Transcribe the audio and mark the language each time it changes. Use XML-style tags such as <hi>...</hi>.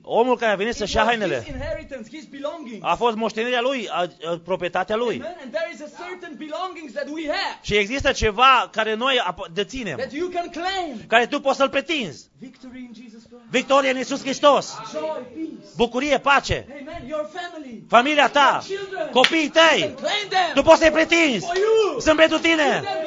<ro>Omul care a venit să-și ia hainele.</ro> <en>His inheritance, his belongings.</en> <ro>A fost moștenirea lui, proprietatea lui.</ro> <en>And there is a certain belongings that we have.</en> <ro>Și există ceva care noi deținem.</ro> <en>That you can claim.</en> <ro>Care tu poți să-l pretinzi.</ro> <en>Victory in Jesus Christ.</en> <ro>Victoria în Iisus Hristos.</ro> <en>Joy, peace.</en> <ro>Bucurie, pace.</ro> <en>Amen. Your family.</en> <ro>Familia ta.</ro> <en>Your children.</en> <ro>Copiii tăi.</ro> <en>You can claim them.</en> <ro>Tu poți să-i pretinzi.</ro> <en>For you.</en> <ro>Sunt pentru tine.</ro>